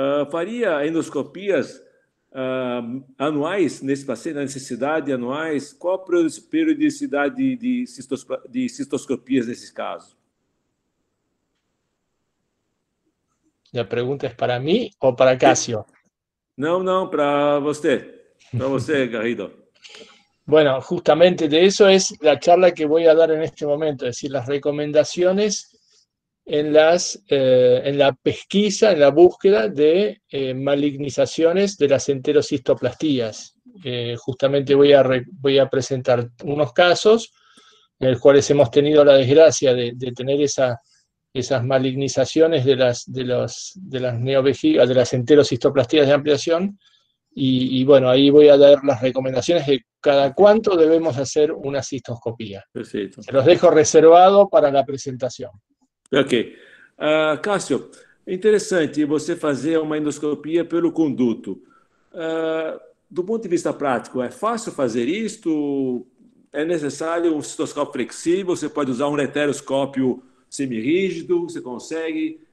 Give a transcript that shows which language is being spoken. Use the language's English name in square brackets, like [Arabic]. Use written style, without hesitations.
[Portuguese] Faria endoscopias anuais nesse paciente, na necessidade anuais? Qual a periodicidade de cistoscopias nesses casos? A pergunta é para mim ou para Cássio? Não, para você. Para você, Garrido. [Spanish] Bueno, justamente de eso es la charla que voy a dar en este momento, es decir, las recomendaciones en en la pesquisa, en la búsqueda de malignizaciones de las enterocistoplastías. Justamente voy a presentar unos casos en los cuales hemos tenido la desgracia de tener esas malignizaciones de las neovejigas, de las enterocistoplastías de ampliación. Y bueno, ahí voy a dar las recomendaciones de cada cuánto debemos hacer una cistoscopía. Perfecto. Se los dejo reservado para la presentación. Ok. [Portuguese] Cássio, interesante você fazer uma endoscopia pelo conduto. Do ponto de vista prático, é fácil fazer isto? É necessário um cistoscópio flexível? Você pode usar um ureteroscópio semirrígido? Você consegue?